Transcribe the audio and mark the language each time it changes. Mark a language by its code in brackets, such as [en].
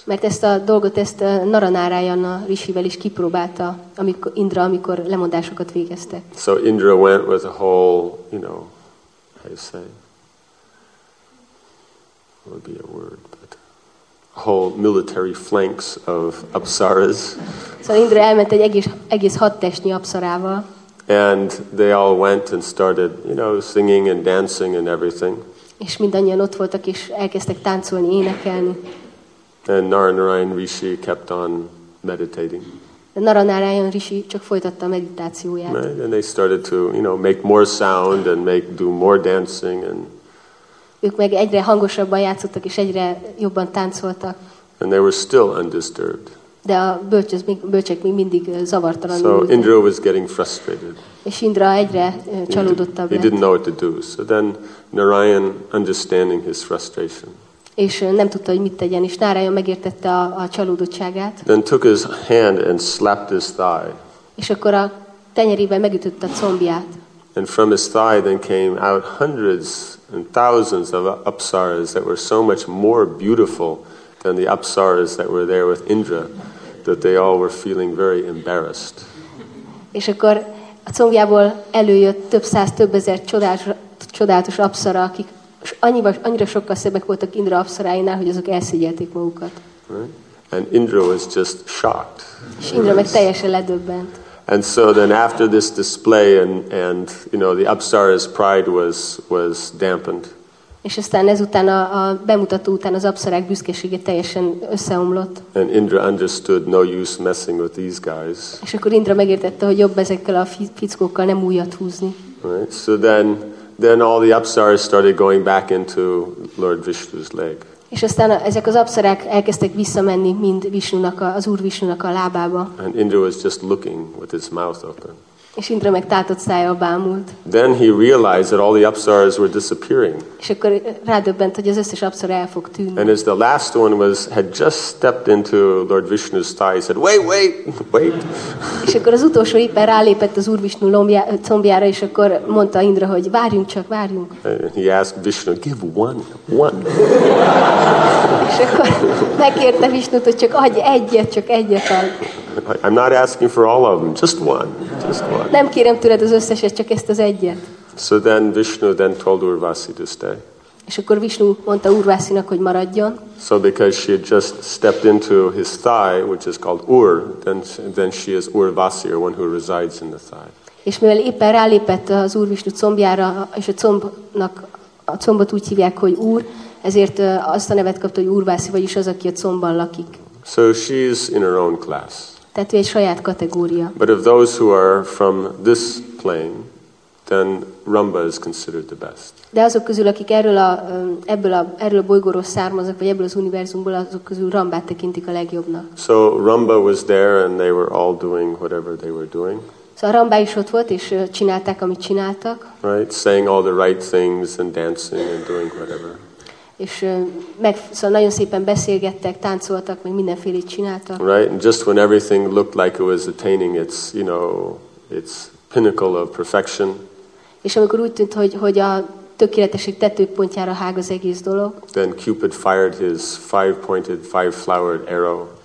[hu] Mert ezt a dolgot ezt Naranarayan Rishivel is kipróbálta, amikor Indra amikor lemondásokat végezte. [en] So Indra went with a whole, you know, how you say, would be a word, but whole military flanks of apsaras. [hu] So Indra elment egy egész hadtestnyi apsarával. [en] And they all went and started, you know, singing and dancing and everything. [hu] És mindannyian ott voltak és elkezdtek táncolni, énekelni. [en] And Naranarayan Rishi kept on meditating. [hu] Naranarayan Rishi csak folytatta a meditációját. [en] Right? And they started to, you know, make more sound and make do more dancing and. [hu] Ők meg egyre hangosabban játszottak és egyre jobban táncoltak. [en] And they were still undisturbed. [hu] De a bölcsek még mindig zavartalanul. [en] So Indra was getting frustrated. [hu] És Indra egyre csalódottabb [en] lett. He didn't know what to do. So then Narayan, understanding his frustration. [hu] És nem tudta, hogy mit tegyen, és Narayan megértette a csalódottságát. [en] Then took his hand and slapped his thigh. [hu] És akkor a tenyerével megütötte a combját. [en] And from his thigh then came out hundreds and thousands of apsaras that were so much more beautiful than the apsaras that were there with Indra, that they all were feeling very embarrassed. [hu] És akkor a combjából előjött több száz, több ezer csodálatos apsara, akik annyira sokkal szebbek voltak Indra apsarainál, hogy azok elszégyelték magukat. [en] Right? And Indra was just shocked. [hu] És Indra meg teljesen ledöbbent. [en] And so then after this display and you know the apsara's pride was dampened. [hu] És aztán ezután a bemutató után az apsarák büszkesége teljesen összeomlott. [en] And Indra understood no use messing with these guys. [hu] És akkor Indra megértette, hogy jobb ezekkel a fickókkal nem újat húzni. [en] Right. So then all the apsaras started going back into Lord Vishnu's leg. [hu] És aztán ezek az apsarák elkezdtek visszamenni mind Vishnunak az Úr Vishnunak a lábába. [en] And Indra was just looking with his mouth open. [hu] És Indra meg tátott szája bámult. [en] Then he realized that all the apsaras were disappearing. [hu] És akkor rádöbbent, hogy az összes apsara el fog tűnni. [en] And as the last one had just stepped into Lord Vishnu's thigh, he said, wait. [hu] És akkor az utolsó éppen rálépett az Úr Vishnu combjára, és akkor mondta Indra, hogy várjunk. [en] And he asked Vishnu, give one. [hu] És akkor megkérte Vishnut, hogy csak adj egyet, csak egyet ad. [en] I'm not asking for all of them, just one. [hu] Nem kérem tőled az összeset, csak ezt az egyet. [en] So then Vishnu then told Urvasi to stay. [hu] És akkor Vishnu mondta Urvasinak, hogy maradjon. [en] So because she had just stepped into his thigh, which is called Ur, then she is Urvasi, or one who resides in the thigh. [hu] És mivel éppen rálépett az Úr Vishnu combjára, és a combot úgy hívják, hogy Úr, ezért azt a nevet kapta, hogy Urvasi, vagyis az, aki a combban lakik. [en] So she is in her own class. [hu] Tehát ő egy saját kategória. [en] But of those who are from this plane, then Rumba is considered the best. [hu] De azok közül, akik erről a bolygóról származnak, vagy ebből az univerzumból, azok közül Rambát tekintik a legjobbnak. [en] So Rumba was there, and they were all doing whatever they were doing. [hu] Szóval Rambá is ott volt, és csinálták, amit csináltak. [en] Right, saying all the right things and dancing and doing whatever. [hu] És meg szóval nagyon szépen beszélgettek, táncoltak, meg mindenfélét csináltak. [en] Right, and just when everything looked like it was attaining its, you know, its pinnacle of perfection. [hu] És amikor úgy tűnt, hogy a tökéletesség tetőpontjára hág az egész dolog. [en] Then Cupid fired his five-pointed, five-flowered arrow.